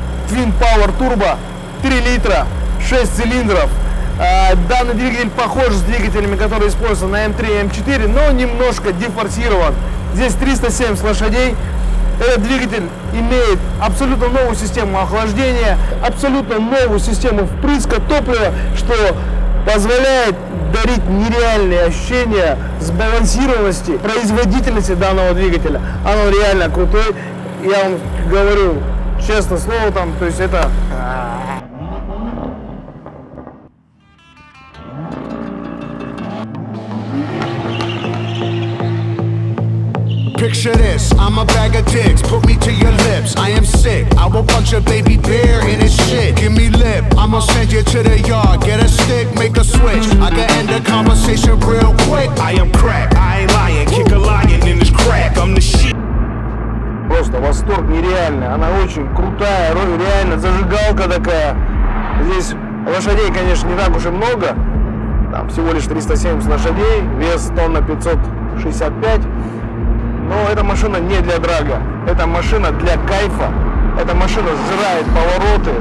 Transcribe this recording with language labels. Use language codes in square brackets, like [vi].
[ru] Twin Power Turbo, 3 литра, 6 цилиндров. Данный двигатель похож с двигателями, которые используются на M3 и M4, но немножко дефорсирован. Здесь 370 лошадей. Этот двигатель имеет абсолютно новую систему охлаждения, абсолютно новую систему впрыска топлива, что позволяет дарить нереальные ощущения сбалансированности, производительности данного двигателя. Оно реально крутое. Я вам говорю честно слово, то есть это... [en] Picture this, I'm a bag of dicks, put me to your lips, I am sick, I will punch a baby bear in his shit, give me lip, I'ma send you to the yard, get a stick, make a switch, I can end the conversation real quick, I am crack, I ain't lying, kick a lion in his crack, I'm the shit. [ru] Просто восторг нереальный, она очень крутая, реально зажигалка такая, здесь лошадей, конечно, не так уж и много, там всего лишь 370 лошадей, вес 1,565 тонны. Но эта машина не для драга, эта машина для кайфа, эта машина сжирает повороты.